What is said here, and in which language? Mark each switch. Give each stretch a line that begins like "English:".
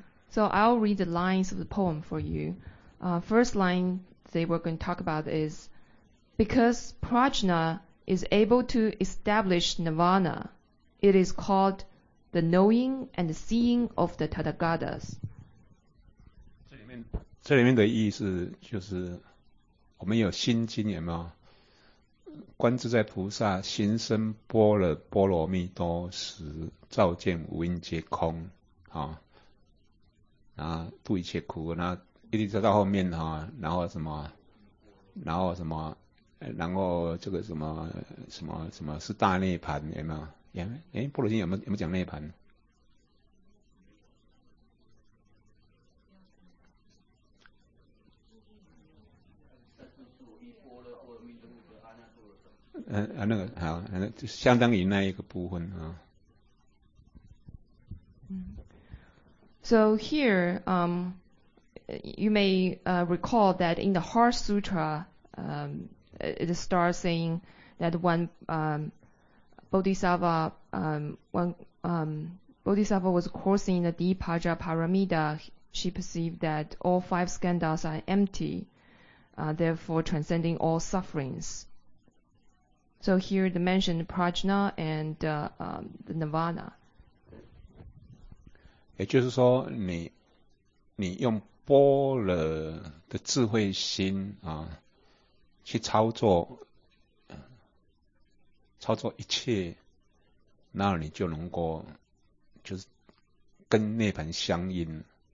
English: So I'll read the lines of the poem for you. First line they were going to talk about is because Prajna is able to establish Nirvana, it is called the knowing and the seeing of the Tathagatas.
Chinese: 这里面的意思就是我们有心经有没有？观自在菩萨行深般若波罗蜜多时，照见五蕴皆空。然后不一切苦，然后一直到后面哈，然后什么，然后什么，然后这个什么什么什么是大涅槃，有没有？哎，波罗经有没有讲涅槃？那个好，相当于那一个部分啊。
English: So here, you may recall that in the Heart Sutra, it starts saying that when Bodhisattva was crossing the deep Paja Paramita, she perceived that all five skandhas are empty, therefore transcending all sufferings. So here they mentioned Prajna and the Nirvana.
Chinese: 也就是说你用般若的智慧心啊去操作一切，那你就能够就是跟涅槃相应，